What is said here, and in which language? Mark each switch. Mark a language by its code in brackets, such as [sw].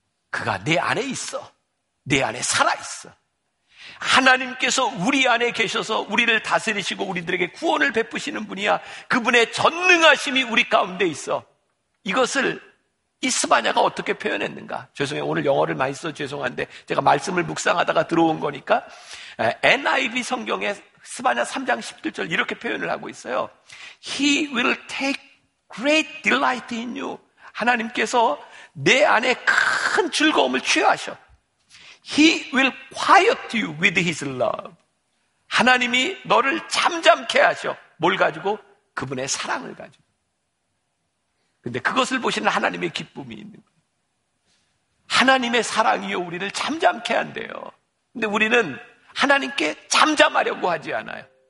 [ko] 그가 내 안에 있어. 내 안에 살아있어. 하나님께서 우리 안에 계셔서 우리를 다스리시고 우리들에게 구원을 베푸시는 분이야. 그분의 전능하심이 우리 가운데 있어. 이것을 이스바냐가 어떻게 표현했는가? 죄송해요. 오늘 영어를 많이 써서 죄송한데 제가 말씀을 묵상하다가 들어온 거니까 NIV 성경에 스바냐 3장 17절 이렇게 표현을 하고 있어요. [en] He will take great delight in you. [ko] 하나님께서 내 안에 큰 즐거움을 취하셔. [en] He will quiet you with his love. [ko] 하나님이 너를 잠잠케 하셔. 뭘 가지고? 그분의 사랑을 가지고. 근데 그것을 보시는 하나님의 기쁨이 있는 거예요. 하나님의 사랑이요, 우리를 잠잠케 한대요. 근데 우리는 하나님께 잠잠하려고 하지 않아요.